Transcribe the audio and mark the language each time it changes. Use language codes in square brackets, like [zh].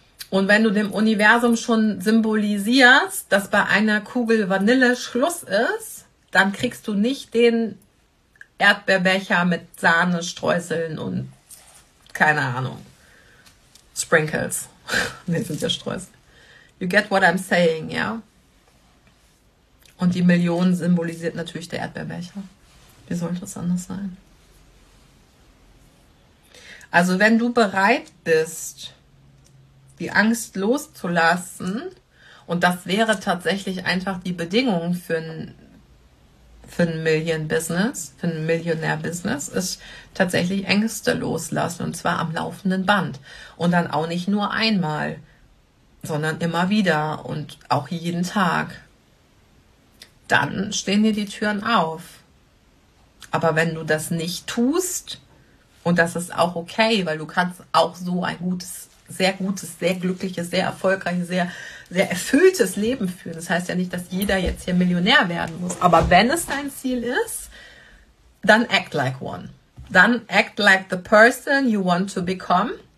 [de] Und wenn du dem Universum schon symbolisierst, dass bei einer Kugel Vanille Schluss ist, dann kriegst du nicht den Erdbeerbecher mit Sahnestreuseln und, keine Ahnung, Sprinkles. Nee, sind ja Streusel. [en] You get what I'm saying, ja? Yeah? [de] Und die Million symbolisiert natürlich der Erdbeerbecher. Wie sollte es anders sein? Also wenn du bereit bist, die Angst loszulassen, und das wäre tatsächlich einfach die Bedingung für ein Million-Business, für ein Millionär-Business, ist tatsächlich Ängste loslassen, und zwar am laufenden Band. Und dann auch nicht nur einmal, sondern immer wieder und auch jeden Tag. Dann stehen dir die Türen auf. Aber wenn du das nicht tust, und das ist auch okay, weil du kannst auch so ein sehr gutes, sehr glückliches, sehr erfolgreiches, sehr, sehr erfülltes Leben führen. Das heißt ja nicht, dass jeder jetzt hier Millionär werden muss. Aber wenn es dein Ziel ist, dann [en] act like one. [de] Dann [en] act like the person you want to become.